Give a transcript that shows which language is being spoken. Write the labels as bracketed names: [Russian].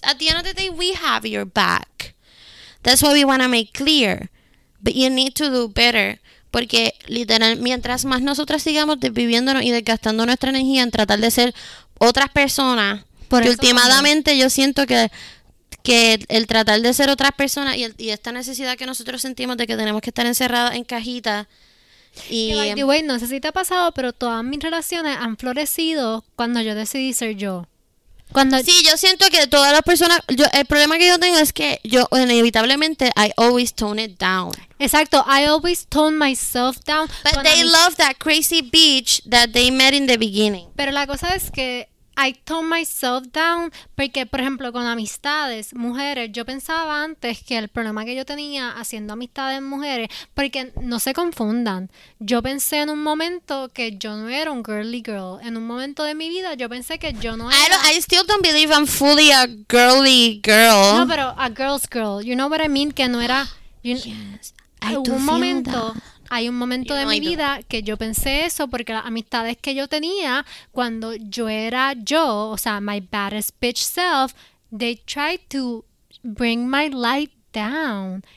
[English] At the end of the day, we have your back. That's what we wanna make clear. But you need to do better. [Spanish] Porque, literal, mientras más nosotras sigamos desviviéndonos y desgastando nuestra energía en tratar de ser otras personas, porque últimamente yo siento que el tratar de ser otras personas y esta necesidad que nosotros sentimos de que tenemos que estar encerradas en cajitas. Y [English] by the way, [Spanish] no sé si te ha pasado, pero todas mis relaciones han florecido cuando yo decidí ser yo. Cuando sí, yo siento que todas las personas, yo, el problema que yo tengo es que yo inevitablemente [English] I always tone it down. [Spanish] Exacto, [English] I always tone myself down. But they love that crazy bitch that they met in the beginning. [Spanish] Pero la cosa es que [English] I tone myself down [Spanish] porque, por ejemplo, con amistades, mujeres, yo pensaba antes que el problema que yo tenía haciendo amistades mujeres, porque no se confundan, yo pensé en un momento que yo no era un [English] girly girl. [Spanish] En un momento de mi vida, yo pensé que yo no era... [English] I still don't believe I'm fully a girly girl. [Spanish] No, pero [English] a girl's girl. You know what I mean? [Spanish] Que no era... Hay un momento de mi vida que yo pensé eso porque las amistades que yo tenía cuando yo era yo, o sea, [English] my baddest bitch self, they tried to bring my light down.